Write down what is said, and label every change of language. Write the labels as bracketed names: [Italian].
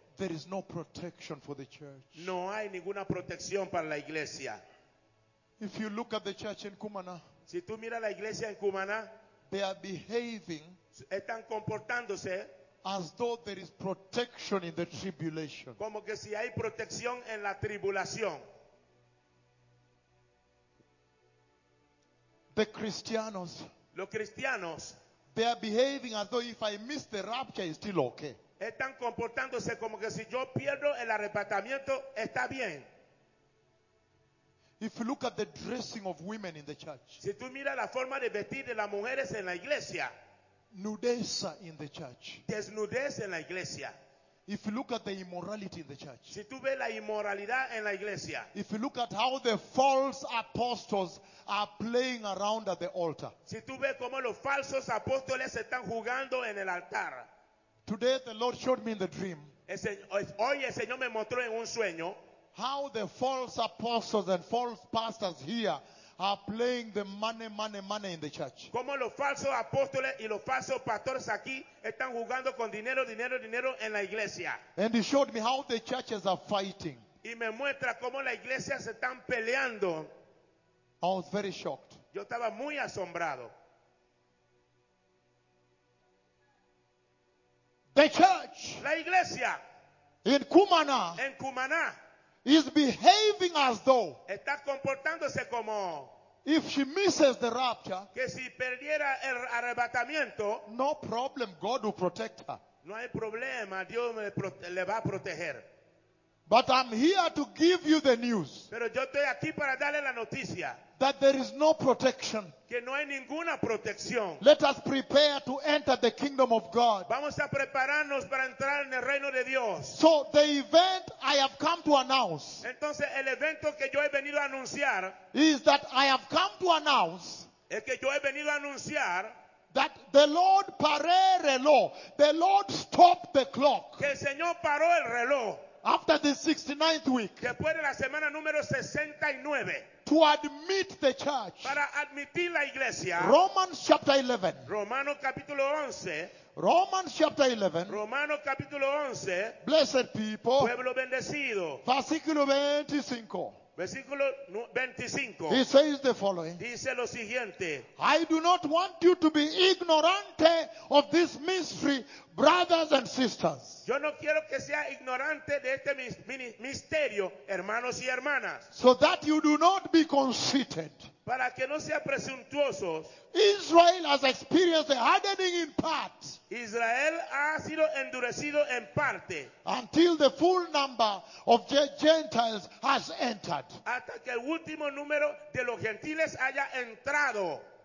[English] There is no protection for the church. [Spanish] No hay ninguna protección para la iglesia. [English] If you look at the church in Cumaná, [Spanish] si tú miras la iglesia en Cumaná, [English] they are behaving, [Spanish] están comportándose, [English] as though there is protection in the tribulation. [Spanish] Como que si hay protección en la tribulación. [English] The Christianos, [Spanish] los cristianos, [English] they are behaving as though if I miss the rapture, it's still okay. [Spanish] Están comportándose como que si yo pierdo el arrebatamiento, está bien. [English] If you look at the dressing of women in the church, [Spanish] si tú miras la forma de vestir de las mujeres en la iglesia, [English] nudeza in the church, [Spanish] desnudez en la iglesia. [English] If you look at the immorality in the church, [Spanish] si tú ves la inmoralidad en la iglesia, [English] if you look at how the false apostles are playing around at the altar, [Spanish] si tú ves cómo los falsos apóstoles están jugando en el altar. [English] Today the Lord showed me in the dream. [Spanish] Hoy el Señor me mostró en un sueño. [English] how the false apostles and false pastors here are playing the money in the church. [Spanish] Como los falsos apóstoles y los falsos pastores aquí están jugando con dinero en la iglesia. [English] And he showed me how the churches are fighting. [Spanish] Y me muestra cómo las iglesias se están peleando. [English] I was very shocked. [Spanish] Yo estaba muy asombrado. [English] The church, [Spanish] la iglesia, [English] in Cumaná, is behaving as though, [Spanish] está comportándose como, [English] if she misses the rapture, [Spanish] que si perdiera el arrebatamiento, [English] no problem, God will protect her. [Spanish] No hay problema, Dios le va a proteger. [English] But I'm here to give you the news. [Spanish] Pero yo estoy aquí para darle la noticia. [English] That there is no protection. [Spanish] Que no hay ninguna protección. [English] Let us prepare to enter the kingdom of God. [Spanish] Vamos a prepararnos para entrar en el reino de Dios. [English] So the event I have come to announce. [Spanish] Entonces el evento que yo he venido a anunciar. [English] Is that I have come to announce. [Spanish] Es que yo he venido a anunciar. [English] That the Lord [Spanish] parare lo. [English] The Lord stopped the clock. [Spanish] Que el Señor paró el reloj. [English] After the 69th week. [Spanish] Después de la semana número 69. [English] To admit the church. [Spanish] Para admitir la iglesia. [English] Romans chapter 11. [Spanish] Romano capítulo 11. [English] Romans chapter 11. [Spanish] Romano capítulo 11. [English] Blessed people. [Spanish] Pueblo bendecido. Versículo 25. Versículo 25. [English] He says the following. [Spanish] Dice lo siguiente. [English] I do not want you to be ignorant of this mystery, brothers and sisters. [Spanish] Yo no quiero que sea ignorante de este misterio, hermanos y hermanas. [English] So that you do not be conceited. [Spanish] Para que no sea presuntuoso. [English] Israel has experienced a hardening in part. [Spanish] Israel ha sido endurecido en parte. [English] Until the full number of Gentiles has entered. [Spanish] Hasta que el último número de los gentiles haya entrado.